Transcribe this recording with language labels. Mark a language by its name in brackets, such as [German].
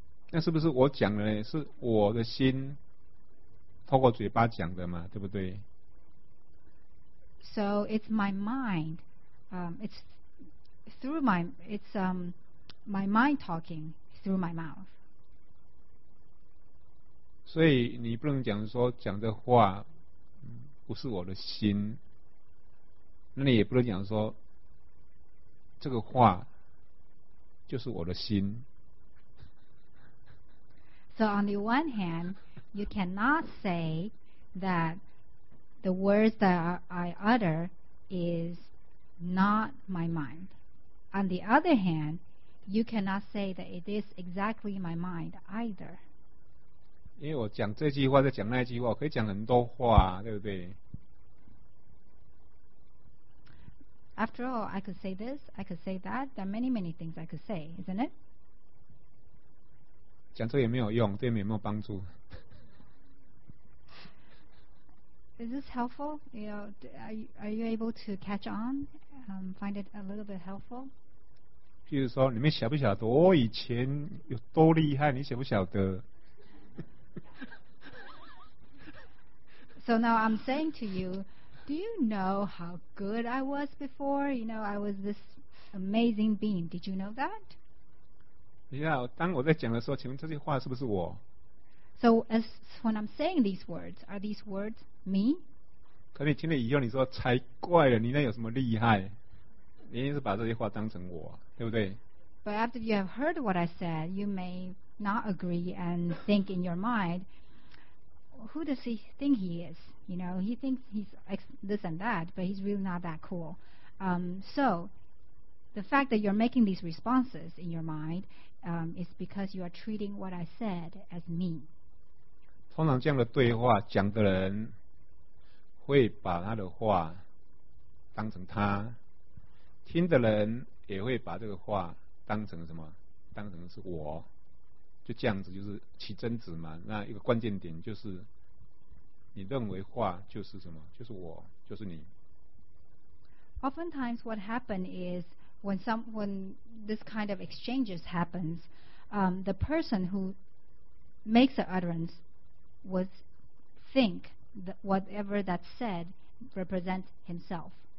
[Chinese] 那是不是我讲的呢？是我的心透过嘴巴讲的嘛，对不对 [English] ？So it's my mind. It's through my my mind talking through my mouth. [Chinese] 所以你不能讲说讲的话不是我的心，那你也不能讲说这个话就是我的心。 [English] So on the one hand, you cannot say that the words that I utter is not my mind. On the other hand,You cannot say that it is exactly my mind either. [Chinese] 因为我讲这句话，再讲那句话，我可以讲很多话，对不对 [English] ？After all, I could say this, I could say that. There are many, many things I could say, isn't it? [Chinese] 讲这也没有用，对你们有没有帮助 [English] ？Is this helpful? You know, are you able to catch on? Find it a little bit helpful? [Chinese] 譬如说，你们晓不晓得我以前有多厉害？你晓不晓得 [English] ？So now I'm saying to you, do you know how good I was before? You know, I was this amazing being. Did you know that? [Chinese] 你看，当我在讲的时候，请问这句话是不是我 [English] ？So as when I'm saying these words, are these words me? [Chinese] 可你听了以后，你说才怪了，你那有什么厉害？你一定是把这些话当成我，对不对 [English] ？But after you have heard what I said, you may not agree and think in your mind, who does he think he is? You know, he thinks he's this and that, but he's really not that cool. So the fact that you're making these responses in your mind, is because you are treating what I said as me. [Chinese] 通常这样的对话，讲的人会把他的话当成他。听的人也会把这个话当成什么？当成是我，就这样子，就是起争执嘛。那一个关键点就是，你认为话就是什么？就是我，就是你。 [English] Oftentimes, what happens is when this kind of exchanges happens, the person who makes the utterance would think that whatever that's said represents himself.